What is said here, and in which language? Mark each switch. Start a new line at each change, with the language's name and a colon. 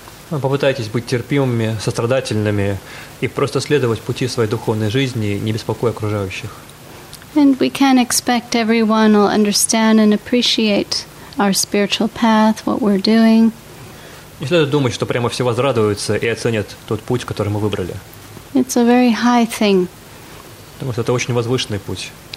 Russian: Попытайтесь быть терпимыми, сострадательными и просто следовать пути своей духовной жизни, не беспокоя окружающих.
English: And we can expect everyone will understand and appreciate our spiritual path, what we're doing.
Russian: Не следует думать, что прямо все возрадуются и оценят тот путь, который мы выбрали.
English: It's a very high thing.
Russian: Потому что это очень возвышенный путь.